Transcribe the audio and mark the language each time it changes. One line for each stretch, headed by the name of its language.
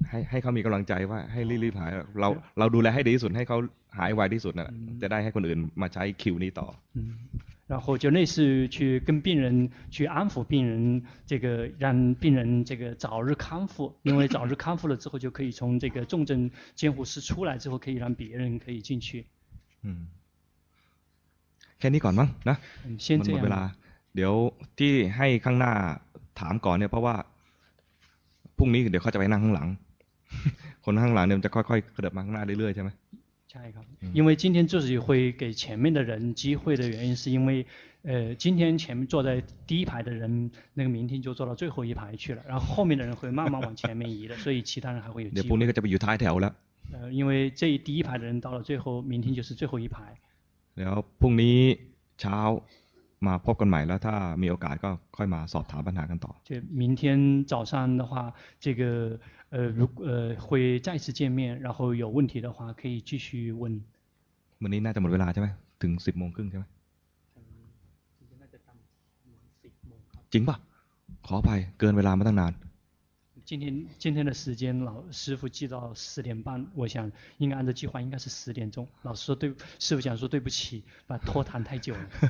Thai: ให้เขามีกำลังใจว่าให้รีบหายเราดูแลให้ดีที่สุดให้เขาหายไวที่สุดนะจะได้ให้คนอื่นมาใช้คิวนี้ต่
Chinese: อ然后就类似去跟病人去安抚病人这个让病人这个早日康复因为早日康复了之后就可以从这个重症监护室出来之后可以让别人可以进去
Thai: แค่นี้ก่อนมั้งนะ มัน หมดเวลาเดี๋ยวที่ให้ข้างหน้าถามก่อนเนี่ยเพราะว่าพรุ่งนี้เดี๋ยวเขาจะไปนั่งข้างหลังคนข้างหลังเนี่ยจะค่อยๆกระเดิบมาข้างหน้าเรื่อยๆใช่ไหม ใช่ครับ
Chinese: 因为今天就是会给前面的人机会的原因是因为今天前面坐在第一排的人那个明天就坐到最后一排去了然后后面的人会慢慢往前面移的所以其他人还会有机会
Thai: พรุ่งนี้ก็จะไปอยู่ท้ายแถวแล้ว
Chinese: 因为这第一排的人到了最后明天就是最后一排
Thai: แล้วพรุ่งนี้เช้ามาพบกันใหม่แล้วถ้ามีโอกาสก็ค่อยมาสอบถามปัญหากันต่อ
Chinese: 就明天早上的话这个会再次见面然后有问题的话可以继续问
Thai: วันนี้น่าจะหมดเวลาใช่ไหมถึง10โมงครึ่งใช่ไหมจริงป่ะขออภัยเกินเวลามาตั้งนาน
Chinese: 今天的时间老师傅记到十点半我想应该按照计划应该是十点钟老师说对师傅讲说对不起把拖堂太久了